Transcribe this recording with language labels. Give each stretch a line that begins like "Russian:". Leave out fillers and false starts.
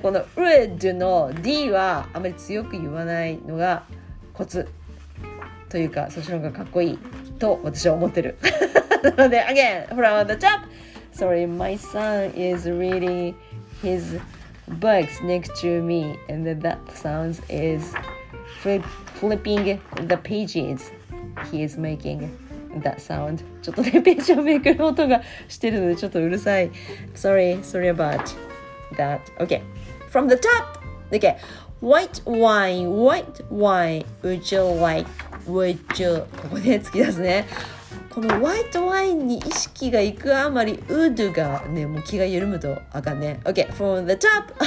Japanese: この would の D はあまり強く言わないのがコツというか、そっちの方がかっこいいと私は思ってる。なので
English: again from the top。 Sorry, my son is reading his books next to me and that sounds is flipping the pages he is makingThat sound.
Japanese: ちょっとね、ページをめくる音がしてるのでちょっとうるさい。
English: Sorry, sorry about that. Okay, from the top. Okay, white wine, white wine, would you like, would you?
Japanese: ここね、突き出すね。この white wine に意識がいくあまり、would がね、もう気が緩むとあかんね。
English: Okay, from the top.